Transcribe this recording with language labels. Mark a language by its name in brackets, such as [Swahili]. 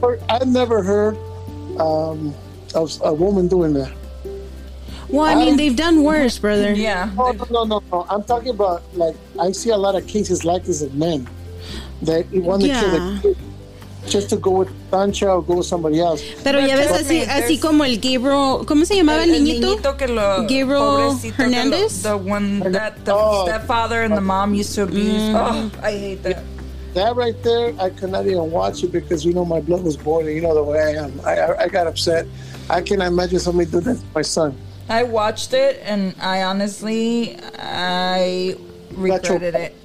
[English] I've never heard of a woman doing that. Well, I mean, they've done worse, brother. Yeah. No. I'm talking about, like, I see a lot of cases like this of men that want to kill the kid. just to go with Sancha or go with somebody else. [Spanish] Pero ya ves, así, así como el Gabriel, ¿cómo se llamaba el niñito? Niñito que lo, [English] Gabriel Hernandez? [Spanish] Que lo, [English] the one that the stepfather and the mom used to abuse. Mm. Oh, I hate that. That right there, I could not even watch it because, you know, my blood was boiling. You know the way I am. I got upset. I cannot imagine somebody do that to my son. I watched it, and I honestly, I regretted it.